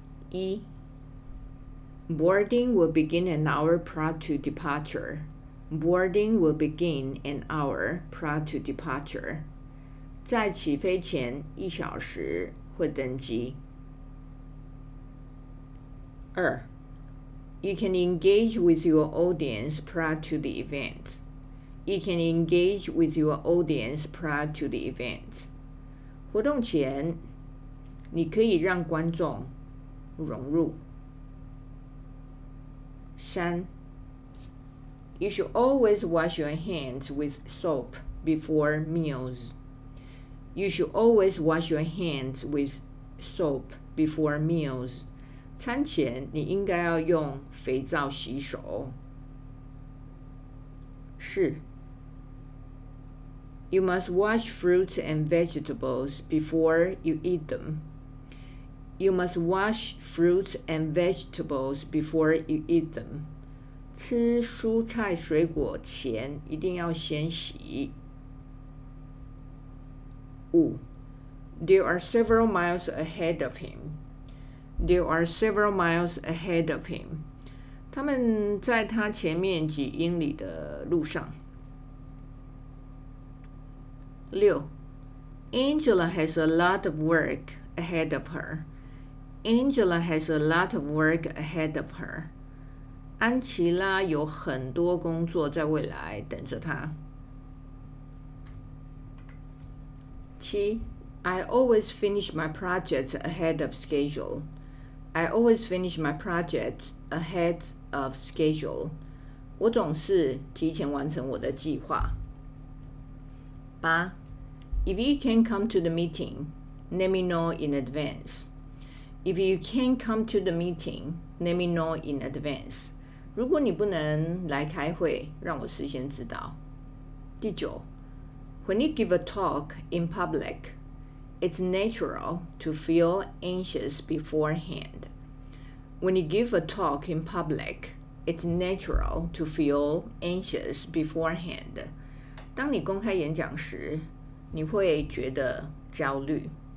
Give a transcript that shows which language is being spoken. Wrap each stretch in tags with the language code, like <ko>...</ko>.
<en>一。Boarding will begin an hour prior to departure. Boarding will begin an hour prior to departure.</en> <zh>在起飞前一小时会登机。</zh> <en>二， You can engage with your audience prior to the event. You can engage with your audience prior to the event.</en> <zh>活动前，你可以让观众融入。</zh> <en>三, you should always wash your hands with soap before meals. You should always wash your hands with soap before meals.</en> <zh>餐前你应该要用肥皂洗手。</zh> <en>四, you must wash fruits and vegetables before you eat them. You must wash fruits and vegetables before you eat them.</en> <zh>吃蔬菜水果前一定要先洗。</zh> <en>五， There are several miles ahead of him. There are several miles ahead of him.</en> <zh>他们在他前面几英里的路上。</zh> <en>六， Angela has a lot of work ahead of her. Angela has a lot of work ahead of her.</en> <zh>安琪拉有很多工作在未来等着她。</zh> <en>七， I always finish my projects ahead of schedule. I always finish my projects ahead of schedule.</en> <zh>我总是提前完成我的计划。</zh> <en>八， If you can come to the meeting, let me know in advance. If you can't come to the meeting, let me know in advance.</en> <zh>如果你不能来开会，让我事先知道。</zh> <en>第九， When you give a talk in public, it's natural to feel anxious beforehand. When you give a talk in public, it's natural to feel anxious beforehand.</en> <zh>当你公开演讲时，你会觉得焦虑。</zh>